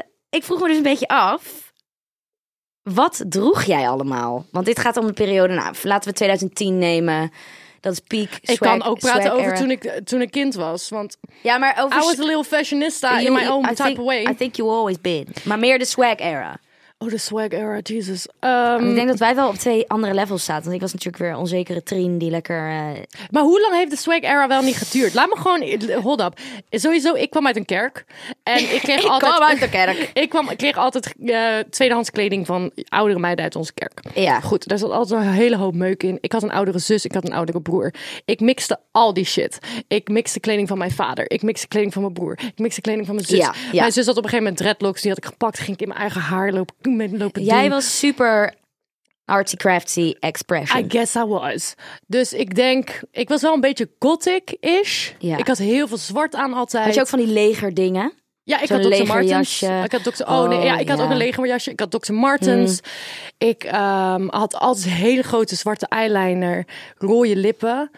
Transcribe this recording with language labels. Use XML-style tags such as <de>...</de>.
<nl>Ik vroeg me dus een beetje af. Wat droeg jij allemaal? Want dit gaat om een periode, nou, laten we 2010 nemen. Dat is peak swag. Ik kan ook praten over toen ik kind was. Want ja, maar over</nl> <en>I was a little fashionista in my own type of way. I think you always been.</en> <nl>Maar meer de swag era. Oh, de swag era, Jesus. Ik denk dat wij wel op twee andere levels zaten. Want ik was natuurlijk weer onzekere Trien die lekker... Maar hoe lang heeft de swag era wel niet geduurd? Laat me gewoon...</nl> <en>Hold up.</en> <nl>Sowieso, ik kwam uit een kerk. En ik kreeg ik altijd... kwam uit de kerk. ik kreeg altijd tweedehands kleding van oudere meiden uit onze kerk. Ja. Goed, daar zat altijd een hele hoop meuk in. Ik had een oudere zus, ik had een oudere broer. Ik mixte al die shit. Ik mixte kleding van mijn vader. Ik mixte kleding van mijn broer. Ik mixte kleding van mijn zus. Ja, ja. Mijn zus had op een gegeven moment dreadlocks. Die had ik gepakt. Ging ik in mijn eigen haar lopen. Jij was super</nl> <en>artsy crafty expression. I guess I was.</en> <nl>Dus ik denk, ik was wel een beetje gothic-ish. Ja. Ik had heel veel zwart aan altijd. Had je ook van die legerdingen? Ja, ik had Dr. Martens. Ik had had ook een legerjasje. Ik had Dr. Martens. Hmm. Ik had altijd hele grote zwarte eyeliner, rode lippen.</nl>